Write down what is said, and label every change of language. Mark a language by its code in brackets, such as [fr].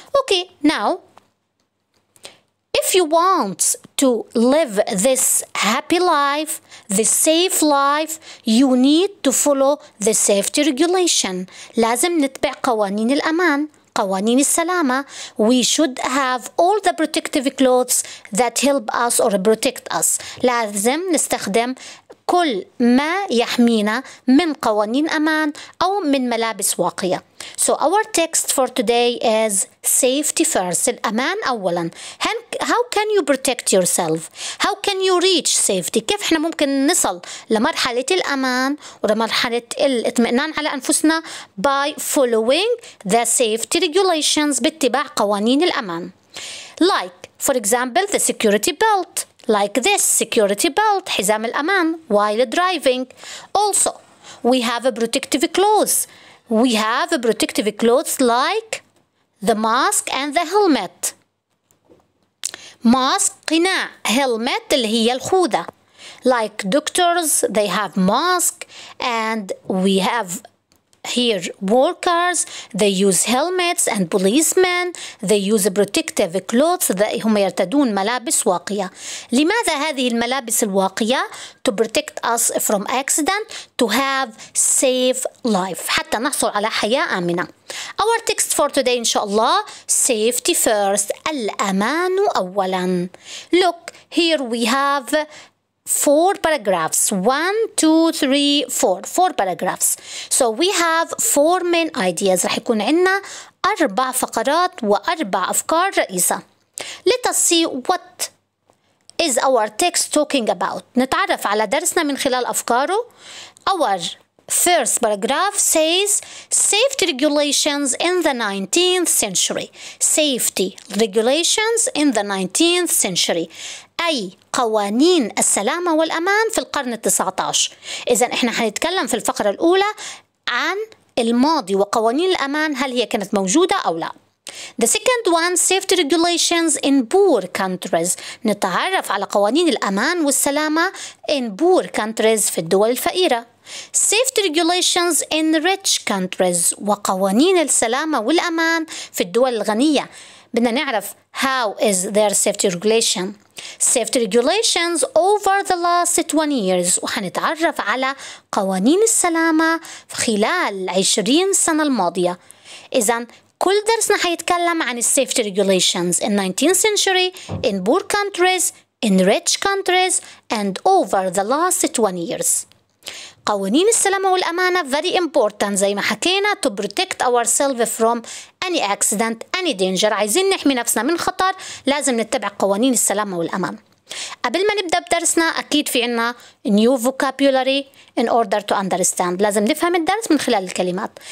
[en] Okay, now, if you want to live this happy life, this safe life, you need to follow the safety regulation. [ar] لازم نتبع قوانين الأمان. قوانين السلامة. [en] We should have all the protective clothes that help us or protect us. [ar] لازم نستخدم كل ما يحمينا من قوانين أمان أو من ملابس واقية. [en] So our text for today is safety first. [ar] الأمان أولا. [en] How can you protect yourself? How can you reach safety? [ar] كيف إحنا ممكن نصل لمرحلة الأمان ولمرحلة الاطمئنان على أنفسنا [en] by following the safety regulations [ar] باتباع قوانين الأمان. [en] Like for example the security belt. Like this security belt, [ar] حزام الأمان, [en] while driving. Also, we have a protective clothes. We have a protective clothes like the mask and the helmet. [ar] Mask, قناع, helmet اللي هي الخوذة. [en] Like doctors, they have mask and we have here workers, they use helmets and policemen, they use protective clothes, [ar] هم يرتدون ملابس واقية. لماذا هذه الملابس الواقية؟ [en] To protect us from accident, to have safe life, [ar] حتى نحصل على حياة آمنة. [en] Our text for today, inshallah, safety first, [ar] الأمان أولا. [en] Look, here we have four paragraphs. 1, 2, 3, 4. Four paragraphs. So we have four main ideas. [ar] رح يكون عنا أربع فقرات وأربع أفكار رئيسة. [en] Let us see what is our text talking about. [ar] نتعرف على درسنا من خلال أفكاره. [en] Our first paragraph says safety regulations in the 19th century. Safety regulations in the 19th century. [ar] أي قوانين السلامة والأمان في القرن التسعتاشر. إذن إحنا هنتكلم في الفقرة الأولى عن الماضي وقوانين الأمان، هل هي كانت موجودة أو لا. [en] The second one, safety regulations in poor countries. [ar] نتعرف على قوانين الأمان والسلامة [en] in poor countries، [ar] في الدول الفقيرة. [en] Safety regulations in rich countries، [ar] وقوانين السلامة والأمان في الدول الغنية. بدنا نعرف [en] how is their safety regulation. Safety regulations over the last 20 years، [ar] وحنتعرف على قوانين السلامة خلال 20 سنة الماضية. إذا كل درسنا حيتكلم عن [en] safety regulations in 19th century، in poor countries، in rich countries، and over the last 20 years. [ar] قوانين السلامة والأمانة [en] very important، [ar] زي ما حكينا [en] to protect ourselves from any accident, any danger، [ar] عايزين نحمي نفسنا من خطر لازم نتبع قوانين السلامة والأمان. قبل ما نبدأ بدرسنا أكيد في عنا [en] new vocabulary in order to understand، [ar] لازم نفهم الدرس من خلال الكلمات.